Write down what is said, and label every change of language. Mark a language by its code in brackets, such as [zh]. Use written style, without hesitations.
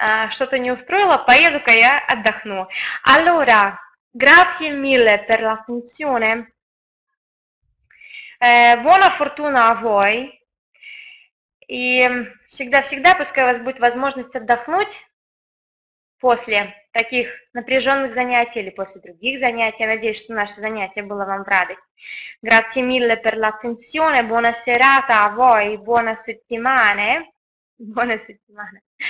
[ru] Что-то не устроило, поеду-ка я отдохну. [it] Allora, grazie mille per la funzione. Buona fortuna a voi. [ru] И всегда-всегда пускай у вас будет возможность отдохнуть после таких напряженных занятий или после других занятий. Я надеюсь, что наше занятие было вам в радость. [it] Grazie mille per l'attenzione. Buona serata a voi. Buona settimana. Buona settimana.